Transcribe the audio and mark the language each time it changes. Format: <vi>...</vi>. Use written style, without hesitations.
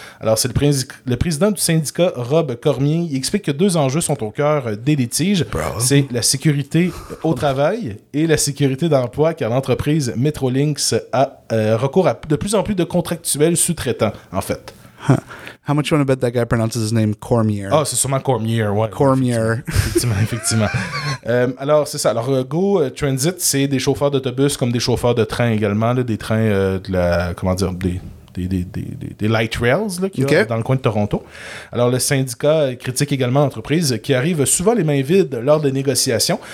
<fr>Alors, c'est le président du syndicat, Rob Cormier. Il explique que deux enjeux sont au cœur des litiges.</fr> <en>Bro.</en> <fr>C'est la sécurité au travail et la sécurité d'emploi, car l'entreprise Metrolinx a recours à de plus en plus de contractuels sous-traitant, en fait. Huh.</fr> <en>How much you want to bet that guy pronounces his name Cormier?</en> <fr>Ah, oh, c'est sûrement Cormier, ouais. Cormier. Effectivement. alors, c'est ça. Alors, Go Transit, c'est des chauffeurs d'autobus comme des chauffeurs de train également, là, des trains de la... Comment dire? Des light rails là, qu'il y a okay. Dans le coin de Toronto. Alors, le syndicat critique également l'entreprise qui arrive souvent les mains vides lors des négociations.</fr>